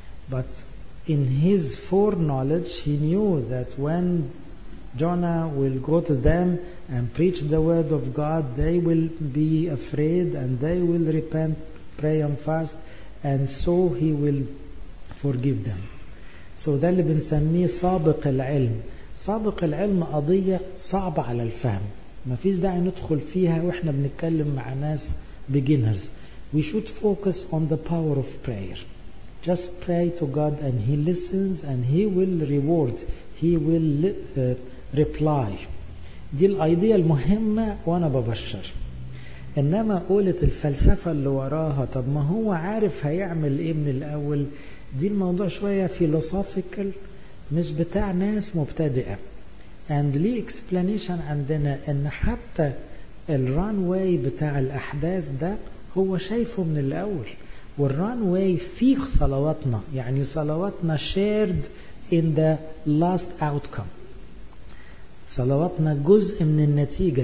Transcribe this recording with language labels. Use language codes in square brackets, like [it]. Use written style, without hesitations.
[en] But in his foreknowledge he knew that when Jonah will go to them and preach the word of God, they will be afraid and they will repent, pray and fast, and so he will forgive them. [ar] So ده اللي بنسميه سابق العلم. سابق العلم قضية صعبة على الفهم, ما فيش داعي ندخل فيها واحنا بنتكلم مع ناس beginners. [en] We should focus on the power of prayer. Just pray to God and he listens and he will reward, he will reply. [ar] دي الايديا المهمة وانا ببشر, انما قولت الفلسفة اللي وراها, طب ما هو عارف هيعمل ايه من الاول, دي الموضوع شوية philosophical, مش بتاع ناس مبتدئة. [en] And the explanation [ar] عندنا ان حتى الرانواي بتاع الاحداث ده هو شايفه من الاول, والرانواي فيه صلواتنا, يعني صلواتنا [en] shared in the last outcome, [ar] صلواتنا جزء من النتيجة.